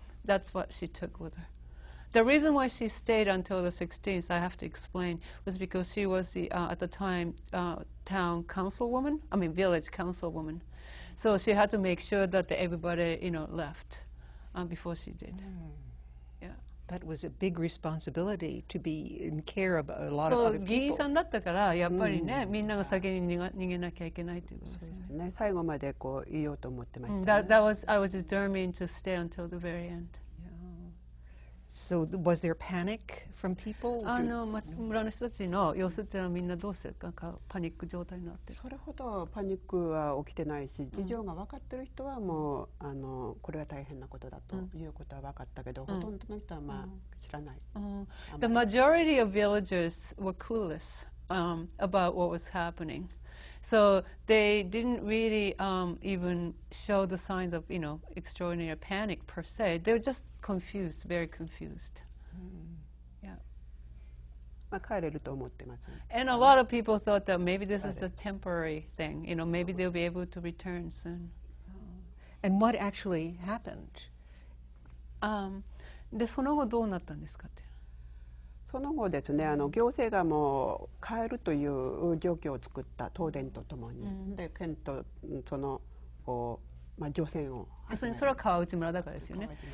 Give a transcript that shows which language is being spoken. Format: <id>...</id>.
<en>That's what she took with her. The reason why she stayed until the 16th, I have to explain, was because she was the at the time town councilwoman. I mean village councilwoman. So she had to make sure that everybody, you know, left before she did. Mm. Yeah. That was a big responsibility to be in care of a lot of other people.</en> <ja>議員さんだったからやっぱりね、みんなが先に逃げなきゃいけないってことですよね。最後までこう言おうと思ってました。</ja> <en>I was determined to stay until the very end. So was there panic from people?</en> <ja>あの村の人たちの様子っていうのはみんなどうするかパニック状態になってる。それほどパニックは起きてないし、事情が分かってる人はもう、うん、あのこれは大変なことだということは分かったけど、うん、ほとんどの人はまあ知らない。うん、</ja> <en>The majority of villagers were clueless about what was happening. So they didn't really even show the signs of, you know, extraordinary panic per se. They were just confused, very confused. And a lot of people thought that maybe this is a temporary thing. You know, maybe they'll be able to return soon. And what actually happened?</en> <ja>で、その後どうなったんですかって。その後ですね、あの行政がもう帰るという状況を作った、東電とともに。 Mm-hmm. で、県とそのこう、まあ、除染を始める。それは川内村だからですよね。</ja>